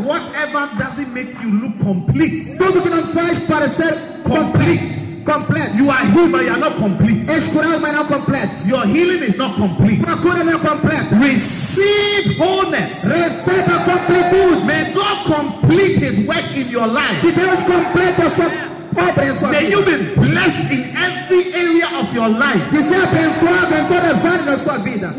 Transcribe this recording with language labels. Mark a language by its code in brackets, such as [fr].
[en] Whatever doesn't make you look complete. [pt] Tudo que não faz parecer [en] complete. [pt] Complete. [en] You are healed, but you are not complete. [pt] És curado, mas não completo. [en] Your healing is not complete. [pt] Tua cura não é completa. [en] Receive wholeness. [pt] Receba a completude. [en] May God complete His work in your life. [pt] Que Deus complete a sua obra em sua vida. [en] May you be blessed in every area of your life. [pt] Que seja abençoado em todas as áreas da sua vida.